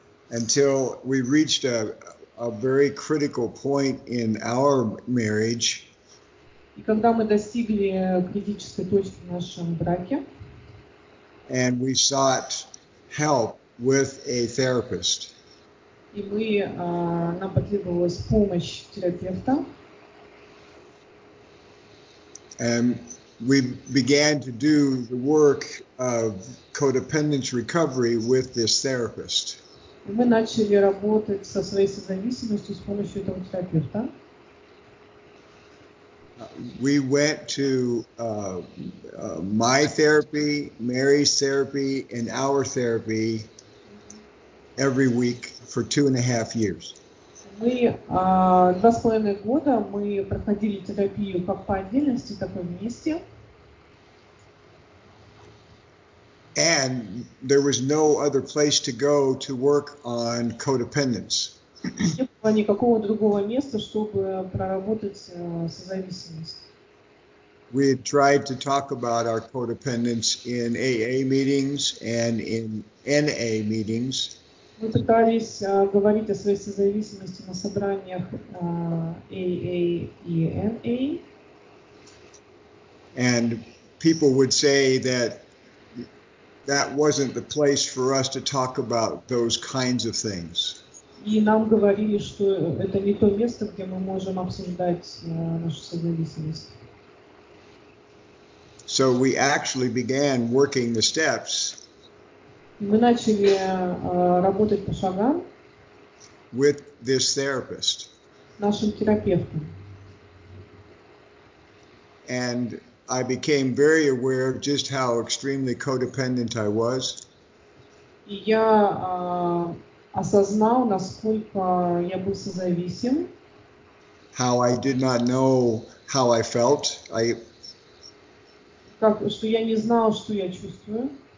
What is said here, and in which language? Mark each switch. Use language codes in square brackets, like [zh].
[en] Until we reached a very critical point in our marriage. [ru] И когда мы достигли критической точки в нашем браке. [en] And we sought help with a therapist. [ru] И мы, нам потребовалась помощь терапевта. [en] And we began to do the work of codependence recovery with this therapist. [ru] И мы начали работать со своей созависимостью с помощью этого терапевта. [en] We went to my therapy, Mary's therapy, and our therapy every week for 2.5 years. [ru] Мы два с половиной года мы проходили терапию как по отдельности, так и вместе. [en] And there was no other place to go to work on codependence. [ru] Не было никакого другого места, чтобы проработать созависимость. [en] We had tried to talk about our codependence in AA meetings and in NA meetings. [ru] Мы пытались говорить о своей созависимости на собраниях AA и NA. [en] And people would say that wasn't the place for us to talk about those kinds of things. [ru] И нам говорили, что это не то место, где мы можем обсуждать нашу созависимость. [en] So we actually began working the steps. [ru] Мы начали работать по шагам [en] with this therapist. [ru] Нашим терапевтом. [en] And I became very aware of just how extremely codependent I was. [ru] И я осознал, насколько я был созависим. [en] How I did not know how I felt. [ru] Что я не знал, что я чувствую.